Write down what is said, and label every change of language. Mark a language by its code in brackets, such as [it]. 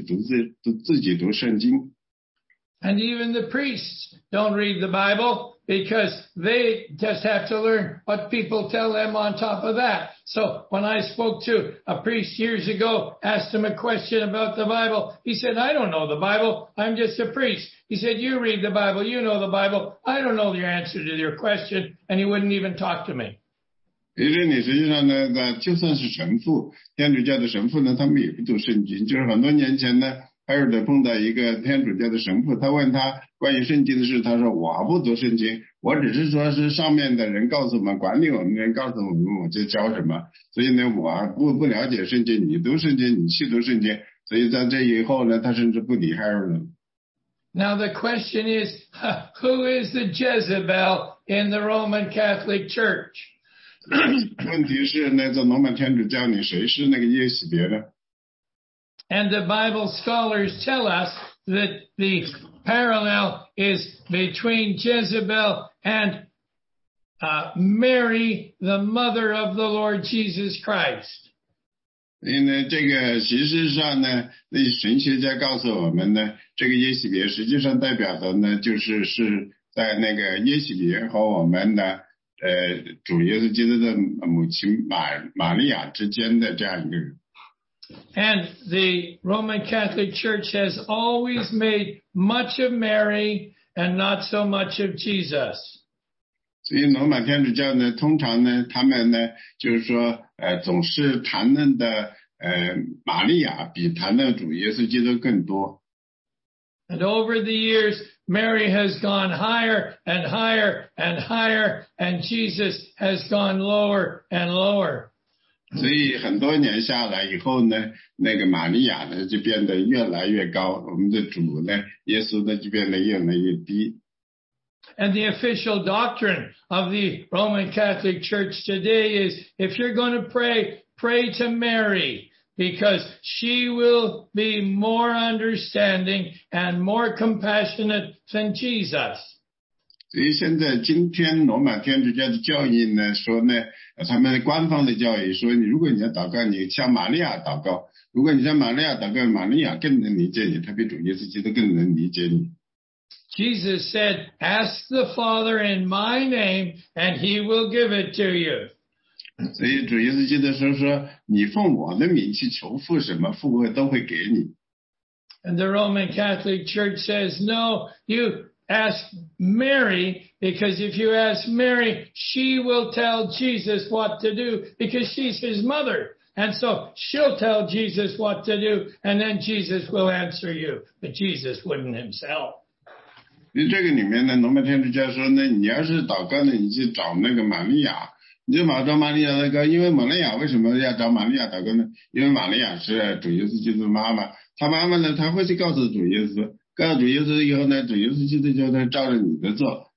[zh] 因为罗马天主教他们实际上呢，把那个神职人员和普通的会众呢，把他们分开了。他们说这些神职人员在这一层里的人呢，他们来管理一切，甚至下面的会众呢，你都没必要去独自读自己读圣经。 [en] And even the priests don't read the Bible because they just have to learn what people tell them on top of that. So when I spoke to a priest years ago, asked him a question about the Bible, he said, I don't know the Bible. I'm just a priest. He said, you read the Bible. You know the Bible. I don't know your answer to your question. And he wouldn't even talk to me. [zh] 其实你实际上呢，就算是神父，天主教的神父呢，他们也不读圣经。就是很多年前呢，尔德碰到一个天主教的神父，他问他关于圣经的事，他说我不读圣经，我只是说是上面的人告诉我们，管理我们的人告诉我们，我就教什么，所以呢我不了解圣经，你读圣经，你去读圣经，所以在这以后呢，他甚至不理海尔德。 [en] Now the question is, who is the Jezebel in the Roman Catholic Church? [zh] 问题是那个罗马天主教里谁是那个耶洗别呢？ [en] And the Bible scholars tell us that the parallel is between Jezebel and Mary, the mother of the Lord Jesus Christ. [zh] 因为这个其实上呢，那神学家告诉我们呢，这个耶洗别实际上代表的呢，就是是在那个耶洗别和我们的主耶稣基督的母亲玛利亚之间的这样一个人。 [en] And the Roman Catholic Church has always made much of Mary and not so much of Jesus. [zh] 所以罗马天主教呢，通常呢，他们呢，就是说，总是谈论的玛利亚比谈论主耶稣基督更多。 [en] And over the years, Mary has gone higher and higher and higher, and Jesus has gone lower and lower. [zh] 所以很多年下来以后呢，那个玛利亚呢就变得越来越高，我们的主呢，耶稣呢就变得越来越低。 [en] And the official doctrine of the Roman Catholic Church today is, if you're going to pray, pray to Mary. Because she will be more understanding and more compassionate than Jesus. [zh] 所以现在今天罗马天主教的教义呢，说呢，他们官方的教义说，你如果你要祷告，你向玛利亚祷告；如果你向玛利亚祷告，玛利亚更能理解你，她比主耶稣基督更能理解你。 [en] Jesus said, "Ask the Father in my name, and He will give it to you." [zh] 所以主耶稣基督说你奉我的名去求父什么父会都会给你。 [en] And the Roman Catholic Church says, no, you ask Mary, because if you ask Mary, she will tell Jesus what to do, because she's his mother. And so she'll tell Jesus what to do, and then Jesus will answer you. But Jesus wouldn't himself. [zh] 你这个里面呢罗马天主教说呢你要是祷告呢你去找那个玛利亚。你就找玛利亚祷告，因为玛利亚为什么要找玛利亚祷告呢？因为玛利亚是主耶稣基督的妈妈，她妈妈呢，她会去告诉主耶稣，告诉主耶稣以后呢，主耶稣基督就能照着你的做。